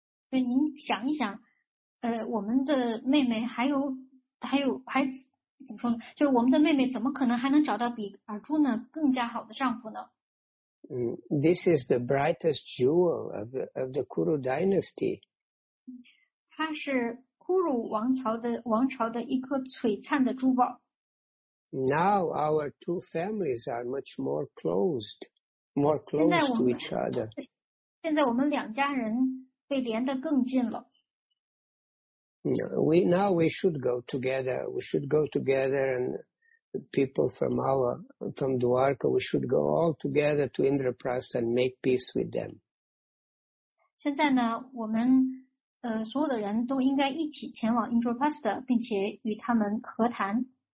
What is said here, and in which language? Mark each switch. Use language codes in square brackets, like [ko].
[zh] 对,您想一想, 我们的妹妹还有,怎么说呢, 就是我们的妹妹怎么可能还能找到比Arjuna更加好的丈夫呢? [en] This is the brightest jewel of the Kuru dynasty. [zh] 它是库鲁王朝的一颗璀璨的珠宝。 [en] Now our two families are much more closed, more close to each other. [zh] 现在我们两家人被连得更近了。 [en] Now we should go together. We should go together and people from Dwarka, we should go all together to Indraprastha and make peace with them. [zh] 现在呢，我们所有的人都应该一起前往 Indraprastha， 并且与他们和谈。